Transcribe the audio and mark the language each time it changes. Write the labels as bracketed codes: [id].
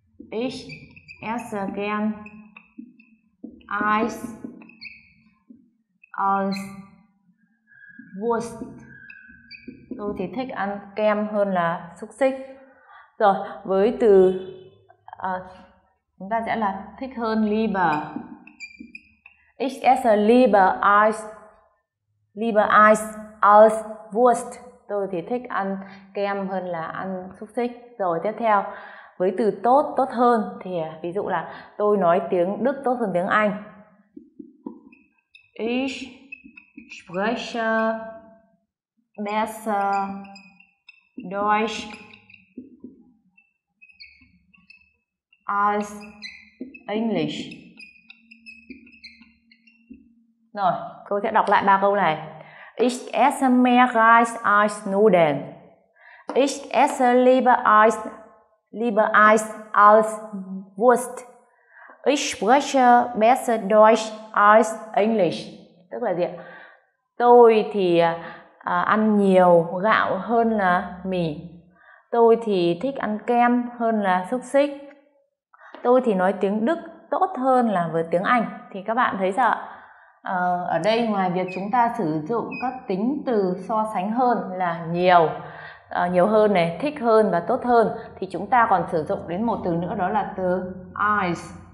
[de] Ich esse kem Eis als Wurst. [vi] Tôi thì thích ăn kem hơn là xúc xích. Rồi, với từ chúng ta sẽ là thích hơn, lieber. [de] Ich esse lieber Eis als Wurst. [vi] Tôi thì thích ăn kem hơn là ăn xúc xích. Rồi, tiếp theo, với từ tốt, tốt hơn thì ví dụ là tôi nói tiếng Đức tốt hơn tiếng Anh. [de] Ich spreche besser Deutsch als Englisch. [vi] Rồi, cô sẽ đọc lại ba câu này. [de] Ich esse mehr Reis als Nudeln. Ich esse lieber Eis als Wurst. Ich spreche besser Deutsch als Englisch. [vi] Tức là gì ạ? Tôi thì ăn nhiều gạo hơn là mì. Tôi thì thích ăn kem hơn là xúc xích. Tôi thì nói tiếng Đức tốt hơn là với tiếng Anh. Thì các bạn thấy sao ạ? Ở đây ngoài việc chúng ta sử dụng các tính từ so sánh hơn là nhiều, nhiều hơn này, thích hơn và tốt hơn, thì chúng ta còn sử dụng đến một từ nữa, đó là từ eyes.